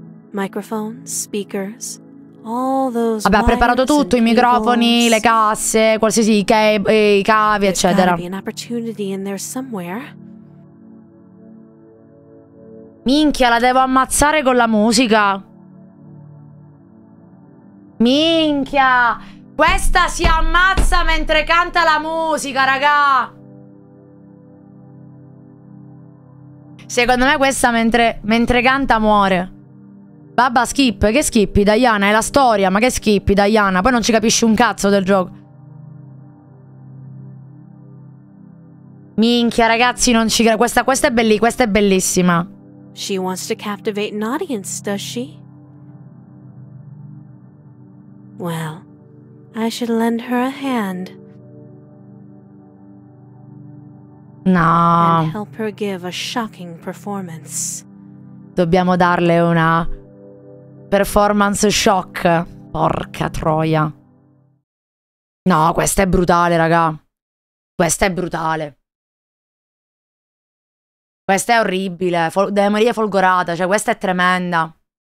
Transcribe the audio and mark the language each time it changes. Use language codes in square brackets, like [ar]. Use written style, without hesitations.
[en] Microphone, speakers, all those. [it] Vabbè, ha preparato tutto, i microfoni, le casse, qualsiasi, i cavi, eccetera. [en] There's an opportunity in there somewhere. [it] Minchia, la devo ammazzare con la musica. Minchia, questa si ammazza mentre canta la musica, raga. Secondo me questa mentre canta muore. Babba, skip. Che skippi, Diana? È la storia. Ma che skippi, Diana? Poi non ci capisci un cazzo del gioco. Minchia, ragazzi, non ci credo. Questa è bellissima. Questa è bellissima. [en] She wants to captivate an audience, does she? Well, I should lend her a hand. No. And help her give a shocking performance. [it] Dobbiamo darle una performance shock. Porca troia. No, questa è brutale, raga. Questa è brutale. Questa è orribile. De Maria folgorata. Cioè, questa è tremenda.